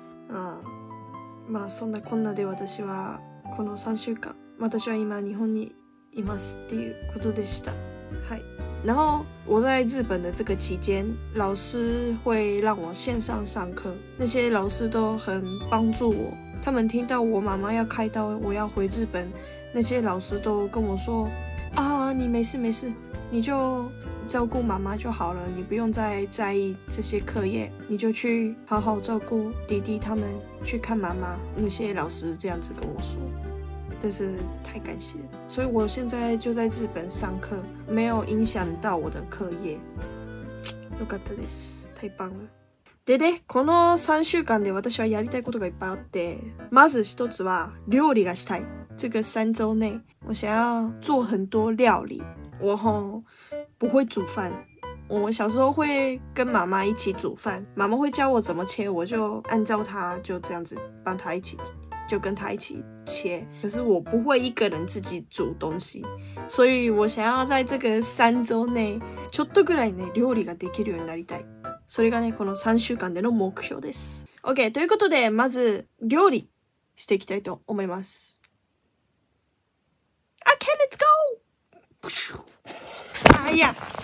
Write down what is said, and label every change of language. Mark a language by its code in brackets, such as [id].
[ja] ああまあそんなこんなで私はこの3週間私は今日本にいますっていうことでしたはい [zh] 然后我在日本的这个期间老师会让我线上上课那些老师都很帮助我他们听到我妈妈要开刀我要回日本那些老师都跟我说啊你没事没事你就照顾妈妈就好了，你不用再在意这些课业，你就去好好照顾弟弟他们，去看妈妈。那些老师这样子跟我说，真是太感谢了。所以我现在就在日本上课，没有影响到我的课业。 [ja] よかったです。 [zh] 太棒了。 [ja] でね、この3週間で私はやりたいことがいっぱいあって、まず一つは料理がしたい。 [zh] 这个三周内，我想要做很多料理。我吼不会煮饭，我小时候会跟妈妈一起煮饭，妈妈会教我怎么切，我就按照她就这样子帮她一起，就跟她一起切。可是我不会一个人自己煮东西，所以我想要在这个三周内 [ja] ちょっとぐらいね料理ができるようになりたい。それがねこの三週間での目標です。OK ということでまず料理していきたいと思います。 [en] Okay, let's go! Ah, yeah!